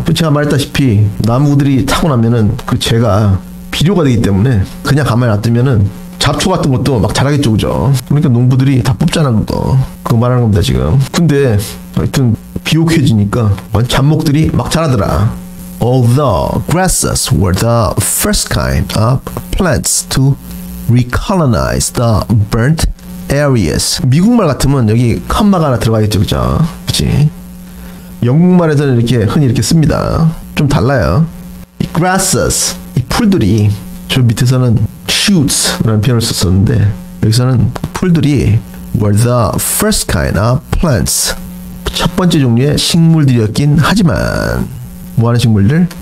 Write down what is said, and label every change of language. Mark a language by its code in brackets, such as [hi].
[ko] 제가 말했다시피 나무들이 타고 나면은 그 재가 비료가 되기 때문에 그냥 가만히 놔두면은 잡초 같은 것도 막 자라겠죠, 그죠? 그러니까 농부들이 다 뽑잖아 그거 말하는 겁니다 지금. 근데 하여튼 비옥해지니까 잡목들이 막 자라더라. [en] Although grasses were the first kind of plants to recolonize the burnt areas. [ko] 미국말 같으면 여기 컴마가 하나 들어가겠죠, 그죠? 그치? 영국말에서는 이렇게 흔히 이렇게 씁니다. 좀 달라요. 이 grasses, 이 풀들이 저 밑에서는 shoots 라는 표현을 썼었는데 여기서는 풀들이 [en] were the first kind of plants [ko] 첫 번째 종류의 식물들이었긴 하지만 뭐하는 식물들?